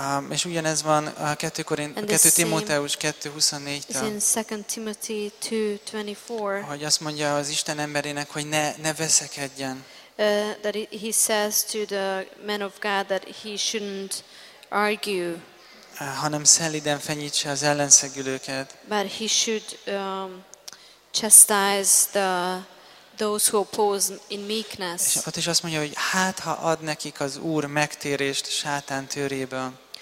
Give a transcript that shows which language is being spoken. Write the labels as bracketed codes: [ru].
[hu] És ugyanez van a 2 Timóteus 2:24-től. [en] In 2 Timothy 2:24. [hu] Hogy azt mondja az Isten emberének, hogy ne veszekedjen. [en] That he says to the man of God that he shouldn't argue. [hu] Hanem szelíden fenyítse az ellenszegülőket. [en] But he should chastise those who oppose in meekness. [hu] És ott is azt mondja, hogy hát ha ad nekik az Úr megtérést Sátán tőréből.